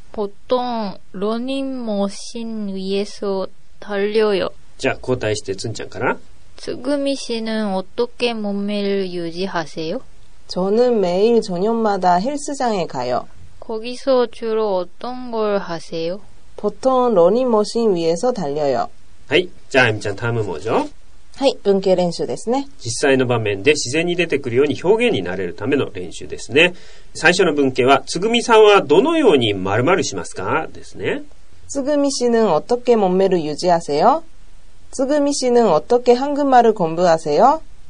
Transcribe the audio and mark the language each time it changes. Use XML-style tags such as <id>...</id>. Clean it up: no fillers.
<ko>보통러닝머신위에서달려요。</ko> <ja>じゃあ交代してつんちゃんから。</ja> <ko>つぐみ씨는어떻게몸매를유지하세요。 저는매일저녁마다헬스장에가요。 거기서주로어떤걸하세요。 보통러닝머신위에서달려요。</ko> <ja>はい、じゃあ、あゆみちゃん、タイムモジョ。はい、文型練習ですね。実際の場面で自然に出てくるように表現になれるための練習ですね。最初の文型は、つぐみさんはどのように〇〇しますかですね。</ja> <ko>つぐみ씨는어떻게몸매를유지하세요。つぐみ씨는어떻게한국말을공부하세요。</ko>